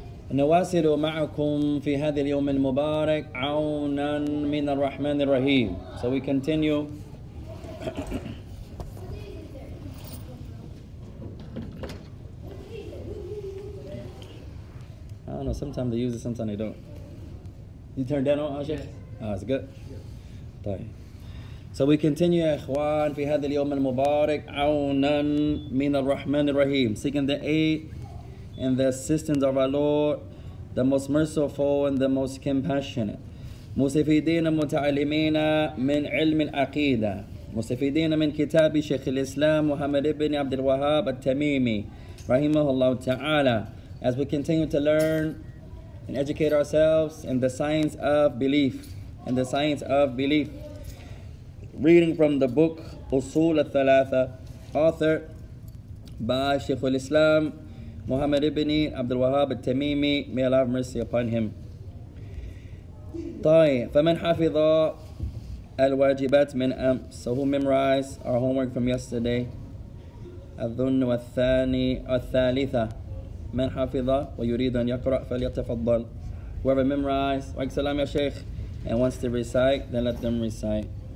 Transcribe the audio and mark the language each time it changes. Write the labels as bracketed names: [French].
[Arabic] نواصل معكم في هذا اليوم المبارك عونا من الرحمن الرحيم. [English] So we continue I don't know, sometimes they use it, sometimes they don't. You turn down on Ashik? Oh, it's good. طيب. So we continue, اخوان, [Arabic] في هذا اليوم المبارك عونا من الرحمن الرحيم, [English] seeking the aid and the assistance of our Lord, the most merciful and the most compassionate. [Arabic] مستفيدين متعلمين من علم العقيدة, مستفيدين من كتاب شيخ الإسلام محمد بن عبد الوهاب التميمي رحمه الله تعالى. [English] As we continue to learn and educate ourselves in the science of belief, in the science of belief. Reading from the book Usool al-Thalaathah, authored by Shaykh al-Islam Muhammad ibn Abdul Wahhab al-Tamimi, may Allah have mercy upon him. [Arabic] طيب فمن حفظ الواجبات من أمس, [English] so who memorized our homework from yesterday, [Arabic] الظن والثاني والثالثة, من حفظ ويريد أن يقرأ فليتفضل, [English] whoever memorized, [Arabic] وعليك السلام يا شيخ, [English] and wants to recite, then let them recite.